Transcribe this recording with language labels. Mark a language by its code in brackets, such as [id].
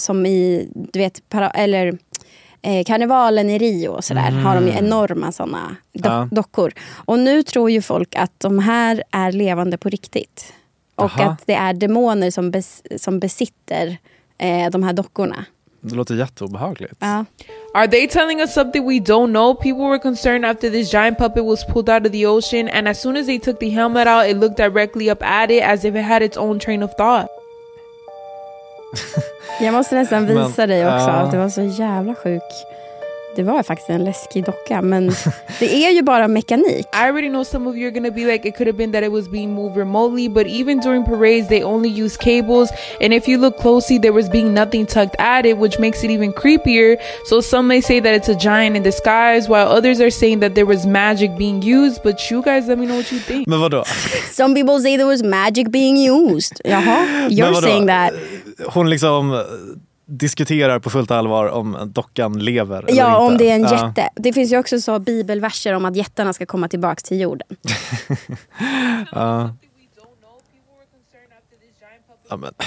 [sv] Som i, du vet, eller karnevalen i Rio och sådär, har de ju enorma såna dockor. Och nu tror ju folk att de här är levande på riktigt. Och att det är demoner som besitter de här dockorna. Det låter jätteobehagligt. Ja. [en] Are they telling us something we don't know? People were concerned after this giant puppet was pulled out of the ocean, and as soon as they took the helmet out, it looked directly up at it as if it had its own train of thought. [sv] Jag måste nästan visa dig också att det var så jävla sjuk. Det var faktiskt en läskig docka, men det är ju bara mekanik. [en] I already know some of you are going to be like, it could have been that it was being moved remotely, but even during parades they only use cables, and if you look closely there was being nothing tucked at it, which makes it even creepier. So some may say that it's a giant in disguise, while others are saying that there was magic being used, but you guys let me know what you think. [sv] Men vadå? [en] Some people say there was magic being used. Jaha, you're saying that. [sv] Hon liksom diskuterar på fullt allvar om dockan lever eller ja, inte. Ja, om det är en jätte. Det finns ju också så bibelverser om att jättarna ska komma tillbaka till jorden. Ja, men.